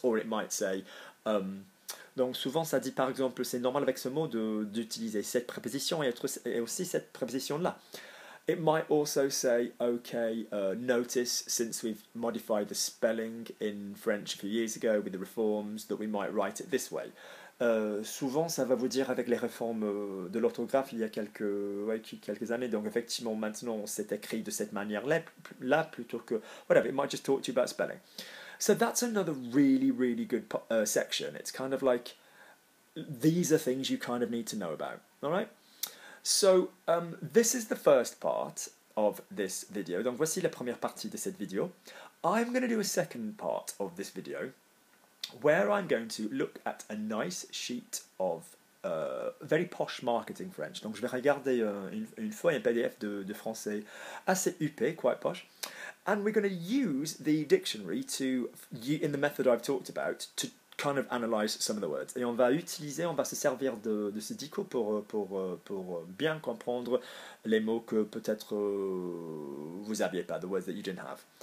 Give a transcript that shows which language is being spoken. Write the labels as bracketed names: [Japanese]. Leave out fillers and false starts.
[English] Or it might say, [French] donc souvent ça dit par exemple, c'est normal avec ce mot d'utiliser cette préposition et aussi cette préposition-là. [English] It might also say, okay, notice, since we've modified the spelling in French a few years ago with the reforms, that we might write it this way. [French] Souvent, ça va vous dire avec les réformes de l'orthographe il y a quelques années. Donc, effectivement, maintenant, c'est écrit de cette manière-là plutôt que... [English] Whatever, it might just talk to you about spelling. So that's another really, really good section. It's kind of like, these are things you kind of need to know about, all right? So, this is the first part of this video. [French] Donc, voici la première partie de cette vidéo. [English] I'm going to do a second part of this video, where I'm going to look at a nice sheet of very posh marketing French. [French] Donc, je vais regarder une feuille, un PDF de français assez huppé, [English] quite posh. And we're going to use the dictionary in the method I've talked about, to kind of analyse some of the words. [French] Et on va se servir de ce dico pour bien comprendre les mots que peut-être vous aviez pas, [English] the words that you didn't have.